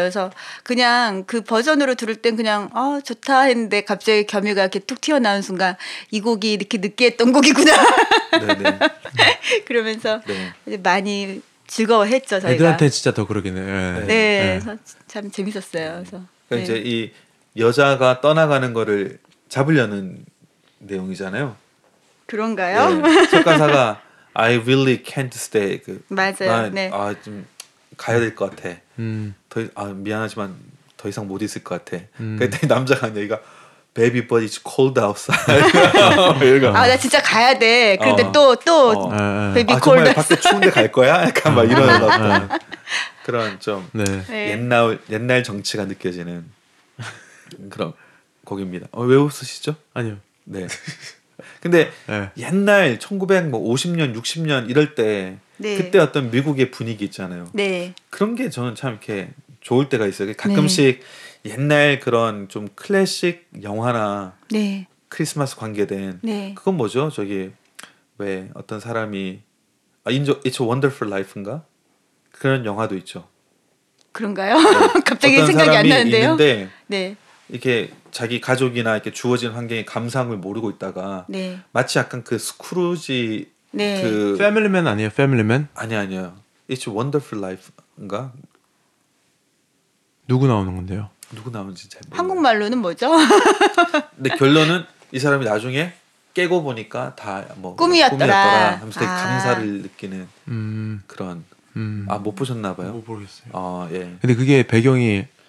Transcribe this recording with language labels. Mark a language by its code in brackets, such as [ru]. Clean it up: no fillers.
[ko] 그래서 그냥 그 버전으로 들을 땐 그냥 좋다 했는데 갑자기 겸이가 이렇게 툭 튀어나온 순간 이 곡이 이렇게 느끼했던 곡이구나. 네, 네. 그러면서 네. 이제 많이 즐거워했죠. 저희가. 애들한테 진짜 더 그러겠네요. 네, 네, 네. 그래서 참 재밌었어요. 그래서 그러니까 이제 이 여자가 떠나가는 거를 잡으려는 내용이잖아요. 그런가요? 네. 첫 가사가 [en] I really can't stay. [ko] 그 맞아요. 난, 네. 아 좀 가야 될 것 같아. 미안하지만 더 이상 못 있을 것 같아. 그때 남자가 얘기가 [en] Baby, but it's cold outside. [ko] 아, 나 진짜 가야 돼. 그런데 [en] Baby, cold outside. [ko] 밖에 추운데 갈 거야? 약간 막 이런 그런 좀 네. 옛날 정치가 느껴지는 그런 곡입니다. 왜 웃으시죠? 아니요. 네. 근데 네. 옛날 1950년, 60년 이럴 때 네. 그때 어떤 미국의 분위기 있잖아요. 네. 그런 게 저는 참 이렇게 좋을 때가 있어요. 가끔씩 네. 옛날 그런 좀 클래식 영화나 네. 크리스마스 관계된 네. 그건 뭐죠? 저기 왜 어떤 사람이 It's a Wonderful Life인가? 그런 영화도 있죠. 그런가요? 네. 갑자기 생각이 안 나는데요. 있는데 네. 이렇게 자기 가족이나 이렇게 주어진 환경의 감상을 모르고 있다가 네. 마치 약간 그 스크루지 네. 그 패밀리맨 아니에요? 패밀리맨? 아니요. It's a Wonderful Life인가? 누구 나오는 건데요? 누구 나오는지 잘 모르겠어요. 한국말로는 뭐죠? 근데 결론은 이 사람이 나중에 깨고 보니까 다 뭐 꿈이었더라 하면서 되게 감사를 느끼는 그런 아 못 보셨나 봐요? 못 보겠어요. 아, 예. 근데 그게 배경이